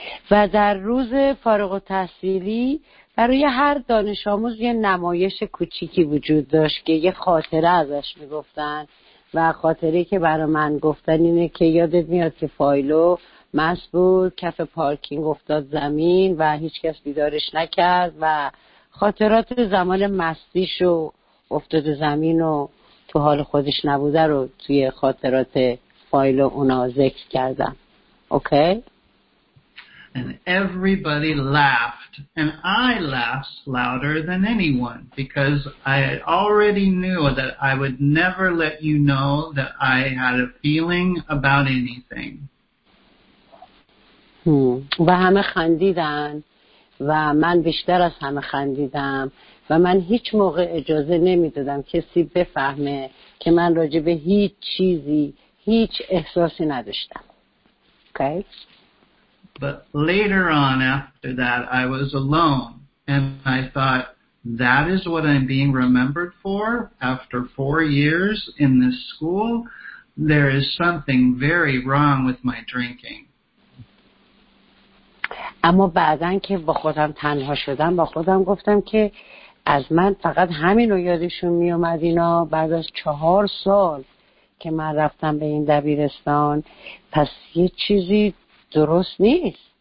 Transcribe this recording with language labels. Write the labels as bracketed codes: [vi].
[fa] و در روز فارغ التحصیلی برای هر دانش آموز یه نمایش کوچیکی وجود داشت که یه خاطره ازش میگفتن و خاطره که برای من گفتن اینه که یادت میاد که فایلو مست بود، کف پارکینگ افتاد زمین و هیچ کس بیدارش نکرد و خاطرات زمان مستیش و افتاد زمین و تو حال خودش نبوده رو توی خاطرات فایلو اونا ذکر کردم. [en] Okay. And everybody laughed, and I laughed louder than anyone because I already knew that I would never let you know that I had a feeling about anything. [fa] و همه خندیدن و من بیشتر از همه خندیدم و من هیچ موقع اجازه نمیدادم کسی بفهمه که من راجع به هیچ چیزی هیچ احساسی نداشتم. [en] Okay. But later on after that, I was alone. And I thought, that is what I'm being remembered for after 4 years in this school. There is something very wrong with my drinking. [fa] اما بعدن که با خودم تنها شدم با خودم گفتم که از من فقط همین رو یادشون می اومد اینا بعد از 4 سال که من رفتم به این دبیرستان پس یه چیزی درست نیست.